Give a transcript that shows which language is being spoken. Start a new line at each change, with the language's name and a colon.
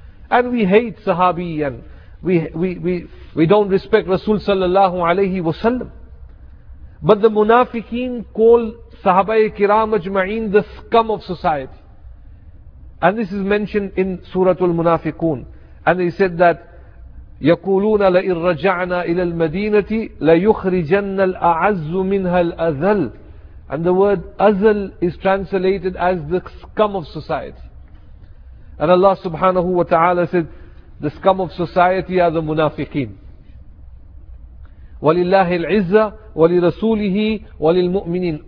English: And we hate Sahabi, and we don't respect Rasul sallallahu alayhi wasallam. But the munafiqeen call Sahaba-e Kiram ajma'een the scum of society. And this is mentioned in Suratul Munafiqoon. And they said that
Arabic: يَقُولُونَ لَئِن رَجَعْنَا إِلَى الْمَدِينَةِ لَيُخْرِجَنَّ الْأَعَزُّ مِنْهَا الْأَذَلِ.
English: And the word azal is translated as the scum of society. And Allah subhanahu wa ta'ala said, the scum of society are the munafiqeen.
Arabic: وَلِلَّهِ الْعِزَّةِ وَلِرَسُولِهِ وَلِلْمُؤْمِنِينَ.